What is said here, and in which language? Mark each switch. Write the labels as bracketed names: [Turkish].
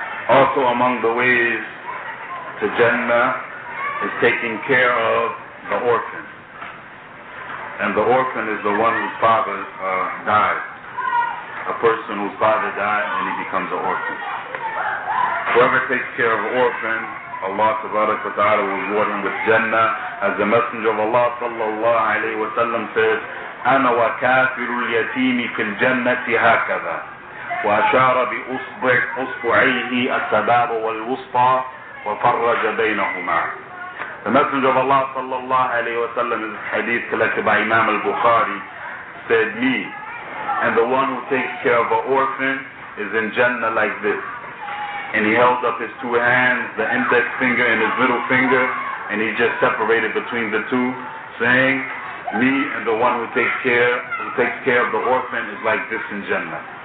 [English] Also among the ways to Jannah is taking care of the orphan. And the orphan is the one whose father died. A person whose father died and he becomes an orphan. Whoever takes care of an orphan, Allah tabarak wa ta'ala will reward him with Jannah. As the Messenger of Allah sallallahu alayhi wa sallam says, [Arabic] أَنَا وَكَافِرُ الْيَتِيمِ فِي الْجَنَّةِ هَكَذَا وَأَشَارَ بِأُصْبُعِهِ السَّبَابُ وَالْوُسْطَى وَفَرَّجَ بَيْنَهُمَا. [English] The Messenger of Allah sallallahu alayhi wa sallam, in this hadith collected by Imam al-Bukhari, said, me and the one who takes care of an orphan is in Jannah like this. And he held up his two hands, the index finger and his middle finger, and he just separated between the two, saying, me and the one who takes care of the orphan is like this in Jannah.